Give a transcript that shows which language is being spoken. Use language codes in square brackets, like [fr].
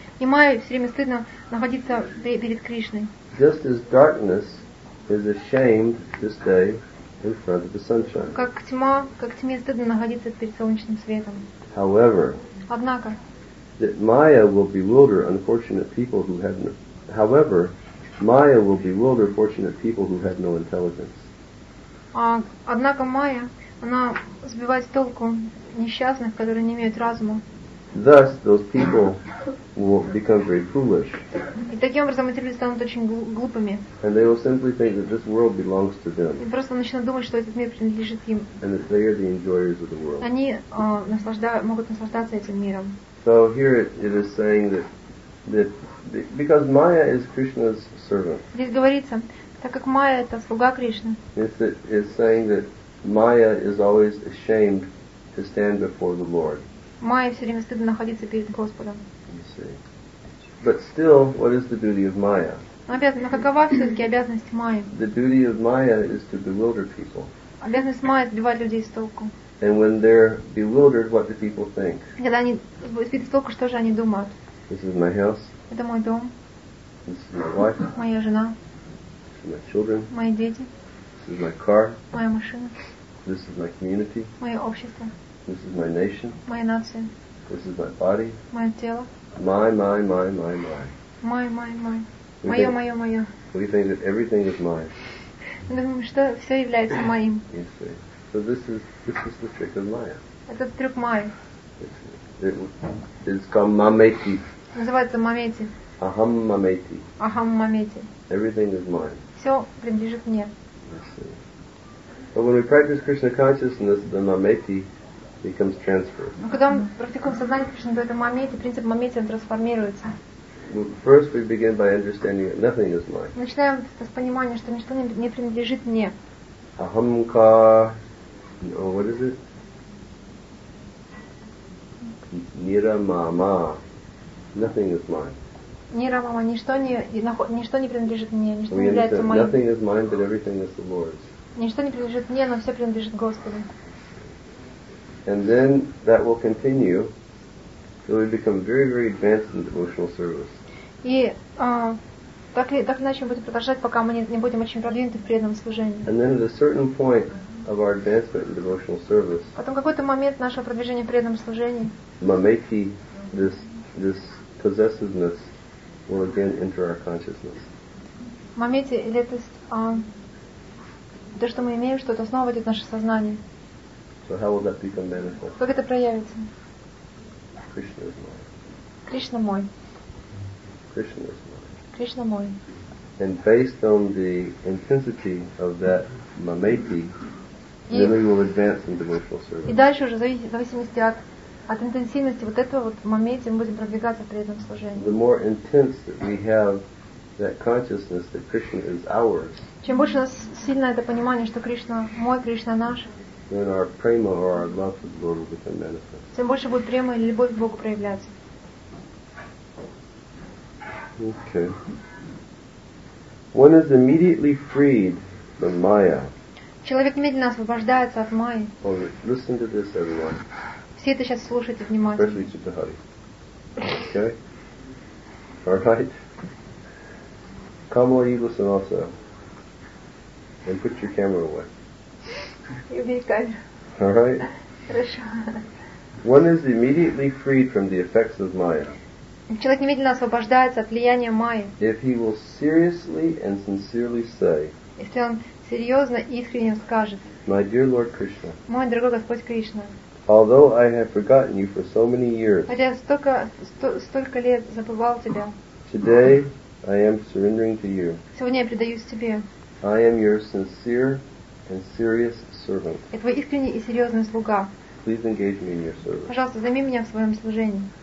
[ru] И Майя все время стыдно находиться перед Кришной. [en] Just as darkness is ashamed to stay in front of the sunshine. [ru] Как тьме стыдно находиться перед солнечным светом. [en] However, [ru] однако, [en] that Maya will bewilder unfortunate people who have no. However, Maya will bewilder fortunate people who have no intelligence. [ru] Однако Майя, она сбивает с толку несчастных, которые не имеют разума. [en] Thus, those people will become very foolish. [ru] И таким образом эти люди станут очень глупыми. [en] And they will simply think that this world belongs to them. [ru] И просто начнут думать, что этот мир принадлежит им. [en] And that they are the enjoyers of the world. [ru] Они могут наслаждаться этим миром. [en] So here it is saying that because Maya is Krishna's servant. [ru] Здесь говорится, так как Майя это слуга Кришны. [en] It's saying that Maya is always ashamed to stand before the Lord. [ru] Майя все время стыдно находиться перед Господом. [en] But still, what is the duty of Maya? [ru] Но какова все-таки обязанность Майи? [en] The duty of Maya is to bewilder people. [ru] Обязанность Майи сбивать людей с толку. [en] And when they're bewildered, what do people think? [ru] Когда они сбиты с толку, что же они думают? [en] This is my house. [ru] Это мой дом. [en] This is my wife. [ru] Моя жена. [en] This is my children. [ru] Мои дети. [en] This is my car. [ru] Моя машина. [en] This is my community. [ru] Мое общество. [en] This is my nation. [ru] Моя нация. [en] This is my body. [ru] Мое тело. [en] My, my, my, my, my. My, my, my. [ru] Мое. [en] We think that everything is mine. [ru] Мы думаем, что все является моим. [en] So this is the trick of Maya. [ru] Это трюк Майи. [en] It's called Mameti. [ru] Называется Мамети. [sa] Aham Mameti. Aham Mameti. [en] Everything is mine. [ru] Все принадлежит мне. [en] But when we practice Krishna consciousness, the Mameti becomes transferred. [ru] Но когда мы практикуем сознание Кришны, то это Мамети, принцип Мамети, он трансформируется. [en] First we begin by understanding that nothing is mine. [ru] Начинаем с понимания, что ничто не принадлежит мне. [en] Ахамка, what is it? Нирамама. Nothing is mine. [ru] Нирамама, ничто не принадлежит мне, ничто не является моим. [en] Nothing is mine, but everything is the Lord's. [ru] Ничто не принадлежит мне, но все принадлежит Господу. [en] And then that will continue till we become very, very advanced in devotional service. [ru] И так иначе мы будем продолжать, пока мы не будем очень продвинуты в преданном служении. [en] And then at a certain point of our advancement in devotional service, [ru] потом какой-то момент нашего продвижения в преданном служении, [en] Mameti, this possessiveness, will again enter our consciousness. [ru] Mameti, или то, что мы имеем, что-то снова войдет в наше сознание. [en] So how will that become manifest? [ru] Как это проявится? [en] Krishna is mine. [ru] Krishna мой. [en] Krishna is mine. And based on the intensity of that mameti, then we will advance in devotional service. [ru] И дальше уже в зависимости от интенсивности вот этого вот мамети мы будем продвигаться в преданном служении. [en] The more intense that we have that consciousness that Krishna is ours. [ru] Чем больше у нас сильное это понимание, что Кришна мой, Кришна наш. [en] Then our prema or our love for the Lord will become manifest. [ru] Тем больше будет према или любовь к Богу проявляться. [en] Okay. One is immediately freed from Maya. [ru] Человек немедленно освобождается от Майи. [en] Oh, listen to this, everyone. [ru] Все это сейчас слушайте внимательно. [en] Especially Chittahari. Okay. All right. Kamala Yivasanasa. And put your camera away. You be good. All right. [ru] Хорошо. [en] One is immediately freed from the effects of Maya. [ru] Человек немедленно освобождается от влияния Майи. [en] If he will seriously and sincerely say, [ru] если он серьезно и искренне скажет, [en] my dear Lord Krishna, [ru] мой дорогой Господь Кришна, [en] although I have forgotten you for so many years, [ru] хотя я столько лет забывал тебя, [en] today I am surrendering to you, [ru] сегодня я предаюсь тебе, [en] I am your sincere and serious servant, [ru] я твой искренний и серьезный слуга, [en] please engage me in your service, [ru] пожалуйста, займи меня в своем служении.